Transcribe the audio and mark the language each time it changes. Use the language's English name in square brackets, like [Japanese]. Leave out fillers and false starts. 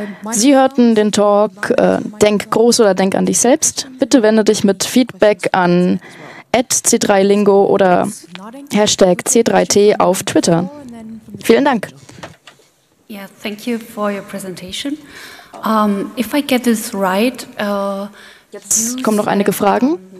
[German] Sie hörten den Talk Denk groß oder denk an dich selbst. Bitte wende dich mit Feedback an @c3lingo oder #c3t auf Twitter. Vielen Dank. [English] Yeah, thank you for your presentation. If I get this right, [German] jetzt kommen noch einige Fragen.